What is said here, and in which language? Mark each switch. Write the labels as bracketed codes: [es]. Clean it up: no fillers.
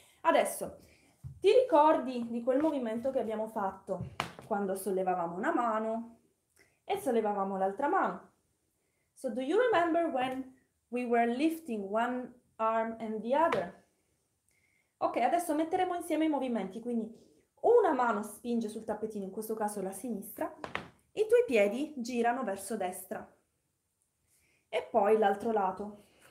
[it] Adesso, ti ricordi di quel movimento che abbiamo fatto quando sollevavamo una mano e sollevavamo l'altra mano? [en] So do you remember when we were lifting one arm and the other? [it] Ok, adesso metteremo insieme i movimenti, quindi una mano spinge sul tappetino, in questo caso la sinistra, i tuoi piedi girano verso destra e poi l'altro lato.